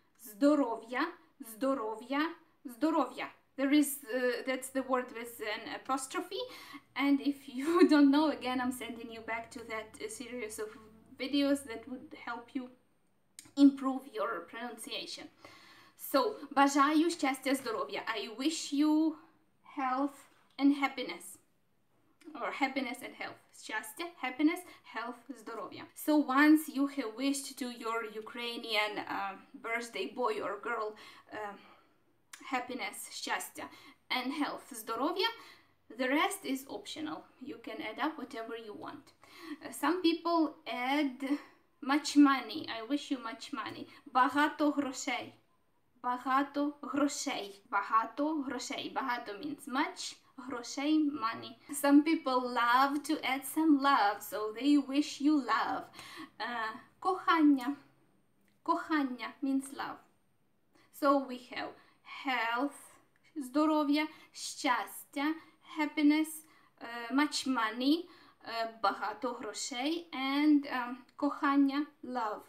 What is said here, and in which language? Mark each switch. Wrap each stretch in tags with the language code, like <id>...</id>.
<uk>Здоров'я, здоров'я, здоров'я.</uk> <en>There is, that's the word with an apostrophe. And if you don't know, again, I'm sending you back to that series of videos that would help you improve your pronunciation. So,</en> <uk>бажаю щастя, здоров'я.</uk> <en>I wish you health and happiness. Or happiness and health. Щастя, happiness, health, здоров'я. So once you have wished to your Ukrainian birthday boy or girl, happiness, щастя, and health, здоров'я, the rest is optional. You can add up whatever you want. Some people add much money. I wish you much money.</en> <uk>Багато грошей. Багато грошей. Багато грошей. Багато</uk> <en>means much,</en> <uk>грошей, money.</uk> <en>Some people love to add some love, so they wish you love. Кохання. Кохання means love. So we have health, здоров'я, щастя, happiness, much money,</en> <uk>багато грошей,</uk> <en>and кохання, love.</en>